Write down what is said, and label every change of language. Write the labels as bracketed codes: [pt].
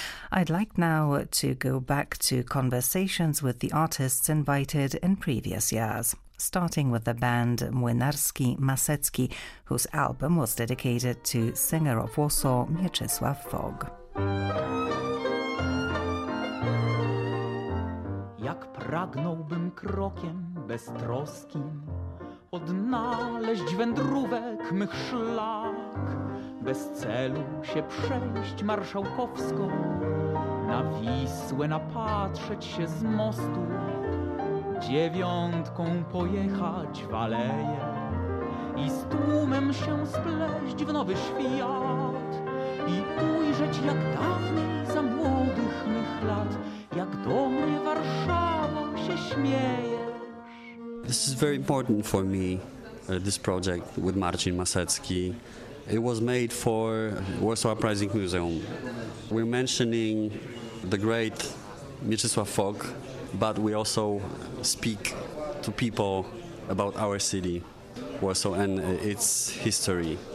[en] I'd like now to go back to conversations with the artists invited in previous years, starting with the band Młynarski Masecki, whose album was dedicated to singer of Warsaw Mieczysław Fog. [pl] Jak pragnąłbym krokiem beztroskim odnaleźć wędrówek mych szlak, bez celu się przejść marszałkowską, na Wisłę napatrzeć się z mostu, dziewiątką pojechać w aleje i z tłumem się spleść w nowy świat i ujrzeć jak dawniej za młodych mych lat, jak do mnie Warszawa się śmieje. [en] This is very important for me, this project with Marcin Masecki. It was made for Warsaw Uprising Museum. We're mentioning the great Mieczysław Fog, but we also speak to people about our city, Warsaw, and its history.